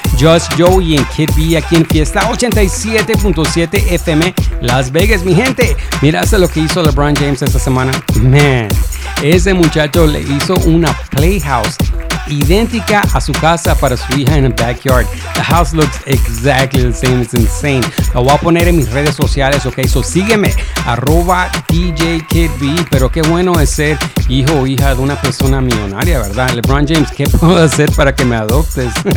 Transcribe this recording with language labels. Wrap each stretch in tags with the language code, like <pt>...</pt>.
<es>Just Joey y Kid B aquí en Fiesta 87.7 FM, Las Vegas. Mi gente, miraste lo que hizo LeBron James esta semana. Man, ese muchacho le hizo una playhouse idéntica a su casa para su hija en el backyard.</es> <en>The house looks exactly the same, it's insane.</en> <es>Lo voy a poner en mis redes sociales, ok, so sígueme, arroba DJ Kid B. Pero qué bueno es ser hijo o hija de una persona millonaria, ¿verdad? LeBron James, ¿qué puedo hacer para que me adoptes?</es>